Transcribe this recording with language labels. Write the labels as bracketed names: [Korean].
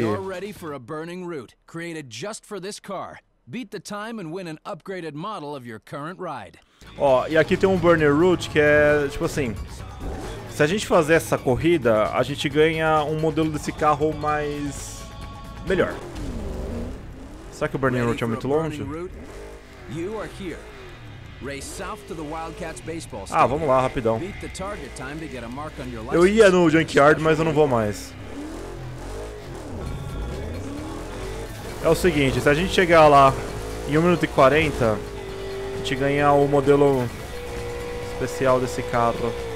[English] You're ready for a burning route, created just for this car. Beat the time and win an upgraded model of your current ride. [Portuguese] Ó, e aqui tem um burner route que é, tipo assim, se a gente fazer essa corrida, a gente ganha um modelo desse carro mais melhor. Será que o burning route é muito longe? [English] You are here. Race south to the Wildcats baseball [Portuguese] stadium. Ah, vamos lá, rapidão. [English] Beat the target time to get a mark on your license. [Portuguese] Eu ia no junkyard, mas eu não vou mais. É o seguinte, se a gente chegar lá em 1 minuto e 40, a gente ganha o modelo especial desse carro.